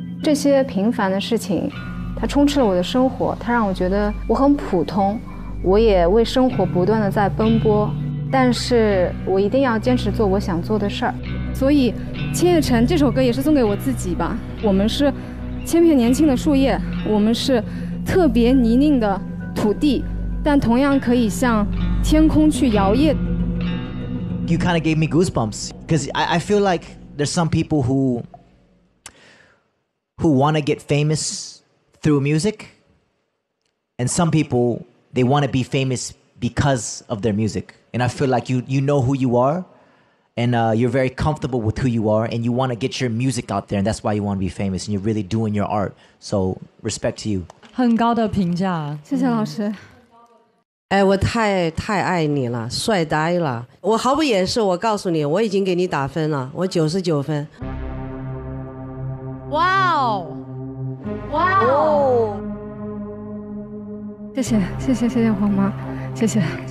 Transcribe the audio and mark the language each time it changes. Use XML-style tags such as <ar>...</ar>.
<zh>这些平凡的事情它充斥了我的生活，它让我觉得我很普通，我也为生活不断地在奔波，但是我一定要坚持做我想做的事儿。所以千叶城这首歌也是送给我自己吧。我们是千片年轻的树叶，我们是特别泥泞的土地，但同样可以向天空去摇曳。</zh> <en>You kind of gave me goosebumps, because I feel like there's some people who want to get famousthrough music, and some people they want to be famous because of their music, and I feel like you know who you are, and you're very comfortable with who you are, and you want to get your music out there, and that's why you want to be famous, and you're really doing your art, so respect to you.</en> <zh>很高的评价，谢谢老师。哎，我太爱你了，帅呆了。我毫不掩饰，我告诉你，我已经给你打分了，我99分。哇哦！哇哦！谢谢黄妈，谢谢。</zh>